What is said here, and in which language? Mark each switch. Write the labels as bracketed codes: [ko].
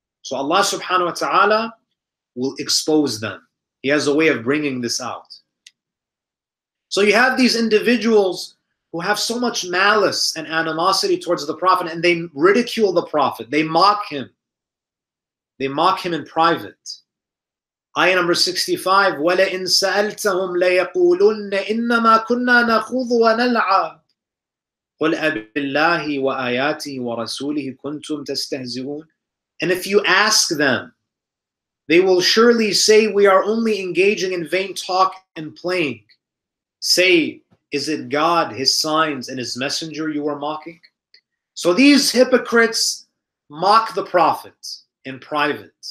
[en] So Allah subhanahu wa ta'ala will expose them. He has a way of bringing this out. So you have these individuals who have so much malice and animosity towards the Prophet, and they ridicule the Prophet. They mock him. They mock him in private. Ayah number 65, [ar] وَلَئِن سَأَلْتَهُمْ لَيَقُولُنَّ إِنَّمَا كُنَّا نَخُوضُ وَنَلْعَبُ قُلْ أَبِ اللَّهِ وَآيَاتِهِ وَرَسُولِهِ كُنْتُمْ تَسْتَهْزِئُونَ. [en] And if you ask them, they will surely say, we are only engaging in vain talk and playing. Say, is it God, His signs, and His messenger you are mocking? So these hypocrites mock the Prophet in private.